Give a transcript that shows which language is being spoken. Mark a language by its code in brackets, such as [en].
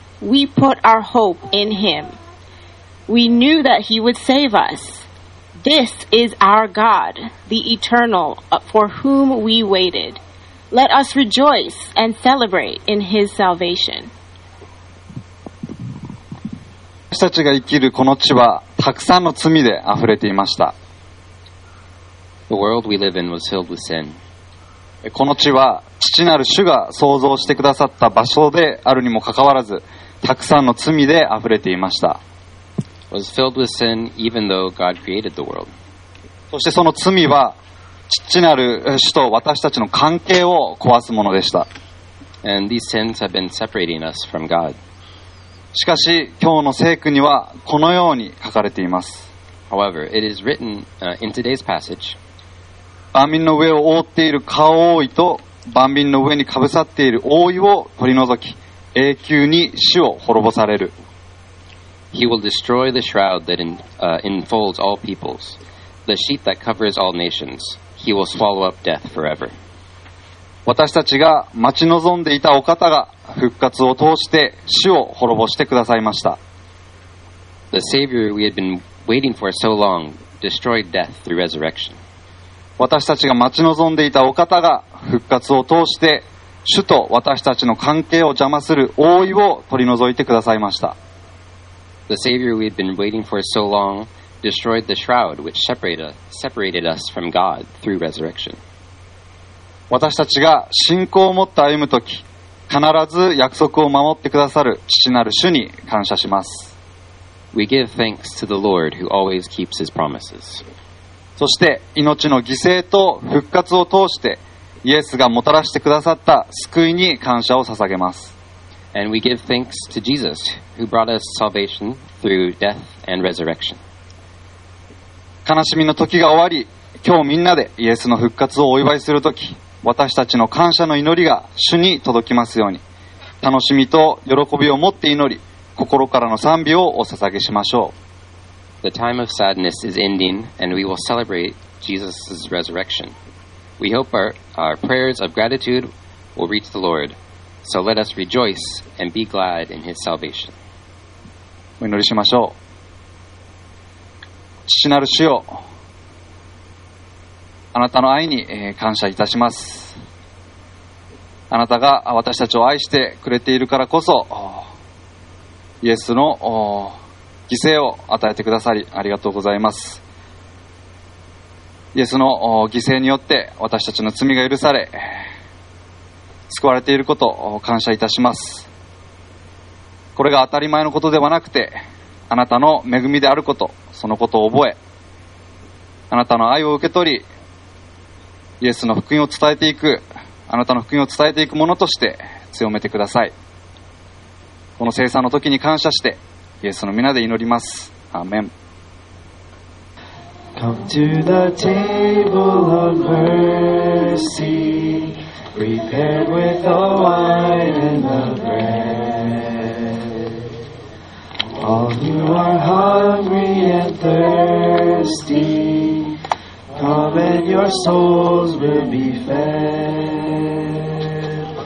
[en] We put our hope in him. We knew that he would save us. This is our God, the Eternal, for whom we waited. Let us rejoice and celebrate in his salvation." [ja] 私たちが生きるこの地はたくさんの罪で溢れていました。 [en] The world we live in was filled with sin. [ja] この地は父なる主が創造してくださった場所であるにもかかわらず、たくさんの罪で溢れていました。 [en] Was filled with sin, even though God created the world. [ja] そしてその罪は父なる主と私たちの関係を壊すものでした。 [en] And these sins have been separating us from God. [ja] しかし今日の聖句にはこのように書かれています。 [en] However, it is written, in today's passage, [ja] 万民の上を覆っている顔覆いと万民の上にかぶさっている覆いを取り除き、永久に死を滅ぼされる。 [en] He will destroy the shroud that enfolds all peoples, the sheet that covers all nations. He will swallow up death forever. [ja] 私たちが待ち望んでいたお方が復活を通して死を滅ぼしてくださいました。 [en] The Savior we had been waiting for so long destroyed death through resurrection. [ja] 私たちが待ち望んでいたお方が復活を通して主と私たちの関係を邪魔する覆いを取り除いてくださいました。 [en] The Savior we had been waiting for so long destroyed the shroud which separated us from God through resurrection. [ja] 私たちが信仰を持って歩むとき、必ず約束を守ってくださる父なる主に感謝します。 [en] We give thanks to the Lord who always keeps his promises. [ja] そして命の犠牲と復活を通して、イエスがもたらしてくださった救いに感謝を捧げます。 [en] And we give thanks to Jesus who brought us salvation through death and resurrection. [ja] 悲しみの時が終わり、今日みんなでイエスの復活をお祝いする時、私たちの感謝の祈りが主に届きますように、楽しみと喜びを持って祈り、心からの賛美をお捧げしましょう。 [en] The time of sadness is ending and we will celebrate Jesus' resurrection. We hope our prayers of gratitude will reach the Lord. So let us rejoice and be glad in his salvation. [ja] お祈りしましょう。父なる主よ、あなたの愛に感謝いたします。あなたが私たちを愛してくれているからこそ、イエスの犠牲を与えてくださりありがとうございます。イエスの犠牲によって私たちの罪が許され救われていることを感謝いたします。これが当たり前のことではなくて、あなたの恵みであること、そのことを覚え、あなたの愛を受け取り、イエスの福音を伝えていく、あなたの福音を伝えていくものとして強めてください。この聖餐の時に感謝して、イエスの皆で祈ります。アーメン。 [en] Come to the table of mercy prepared with the wine and the bread. All who are hungry and thirsty, come and your souls will be fed.